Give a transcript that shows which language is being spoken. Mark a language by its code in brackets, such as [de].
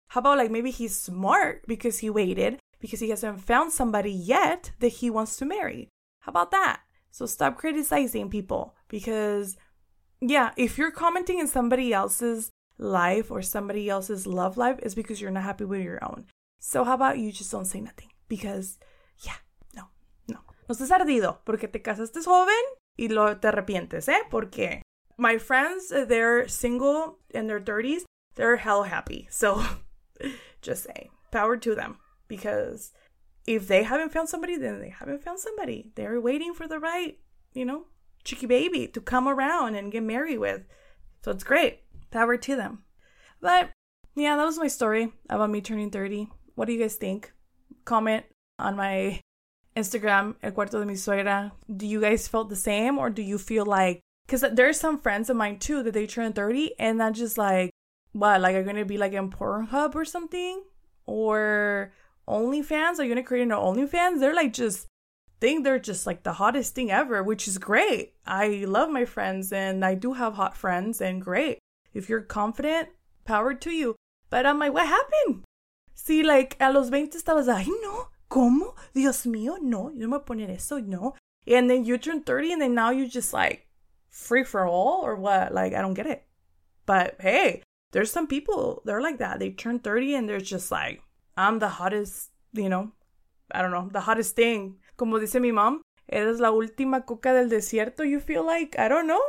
[en] How about like maybe he's smart because he waited because he hasn't found somebody yet that he wants to marry? How about that? So stop criticizing people because... yeah, if you're commenting in somebody else's life or somebody else's love life, it's because you're not happy with your own. So how about you just don't say nothing? Because, yeah, no, no. [es] No estés ardido porque te casaste joven y lo te arrepientes, ¿eh? Porque [en] my friends, they're single in their 30s. They're hella happy. So just say power to them. Because if they haven't found somebody, then they haven't found somebody. They're waiting for the right, you know, cheeky baby to come around and get married with. So it's great. Power to them. But yeah, that was my story about me turning 30. What do you guys think? Comment on my Instagram, El Cuarto de Mi Suegra. Do you guys feel the same or do you feel like... because there's some friends of mine too that they turn 30 and that just like... what? Like are going to be like in Pornhub or something? Or OnlyFans? Are you going to create an OnlyFans? They're like just... think they're just like the hottest thing ever, which is great. I love my friends and I do have hot friends and great. If you're confident, power to you. But I'm like, what happened? See, like, [es] a los 20 estabas, ay, no, ¿cómo? Dios mío, no, yo me voy a poner eso, no. [en] And then you turn 30 and then now you're just like free for all or what? Like, I don't get it. But hey, there's some people, they're like that. They turn 30 and they're just like, I'm the hottest, you know, I don't know, the hottest thing. [es] Como dice mi mom, eres la última coca del desierto, [en] you feel like. I don't know.